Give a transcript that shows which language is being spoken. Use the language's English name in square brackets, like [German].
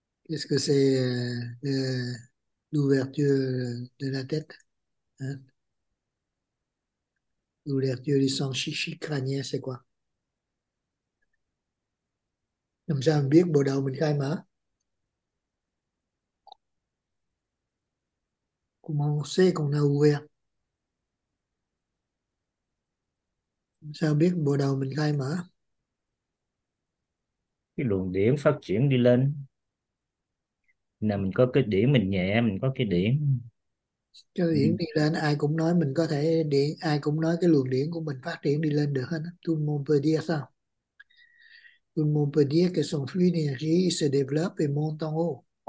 [French] Qu'est-ce que c'est l'ouverture de la tête? Hein? L'ouverture du sang chichi crânien, c'est quoi? [Vietnamese] Làm sao mình biết bộ đầu mình khai mở? [French] Comment on sait qu'on a ouvert? [Vietnamese] Làm sao biết bộ đầu mình khai mở? Cái luồng điển phát triển đi lên là mình có cái điểm, mình nhẹ mình có cái điểm. Cho điển đi lên, ai cũng nói mình có thể điển, ai cũng nói cái luồng điển của mình phát triển đi lên được hết. [French] Tout le monde peut dire ça. Tout le monde peut dire que son flux d'énergie se développe et monte en haut.